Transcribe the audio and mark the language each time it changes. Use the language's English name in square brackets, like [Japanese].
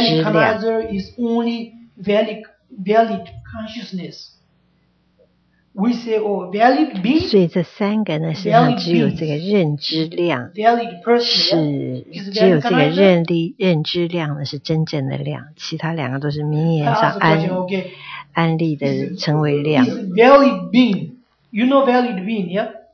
[English] Valid cognizer is only valid consciousness. We say oh valid being. [Chinese] 所以这三个呢，实际上只有这个认知量。 [English] Valid person [Chinese] 是。只有这个认力、认知量呢是真正的量，其他两个都是名言上安利的称为量。 [English] Valid being, you know valid being, yeah?